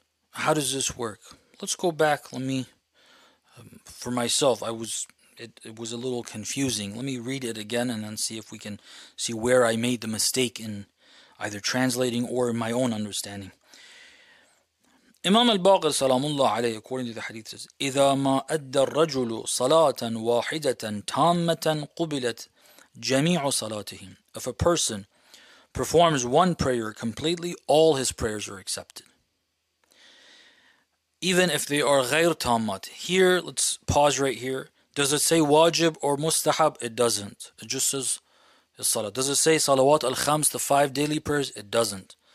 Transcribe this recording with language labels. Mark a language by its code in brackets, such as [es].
[en] How does this work? Let's go back. For myself, it was a little confusing. Let me read it again and then see if we can see where I made the mistake in either translating or in my own understanding. Imam al-Baqir, salamullah alayhi, according to the hadith, says, [ar] إِذَا مَا أَدَّ الرَّجُلُ صَلَاةً وَاحِدَةً تَامَّةً قُبِلَتْ جَمِيعُ صَلَاتِهِمْ. [en] If a person performs one prayer completely, all his prayers are accepted. Even if they are غير tammat. Here, let's pause right here. Does it say wajib or mustahab? It doesn't. It just says his salah. Does it say salawat al-khams, the five daily prayers? It doesn't.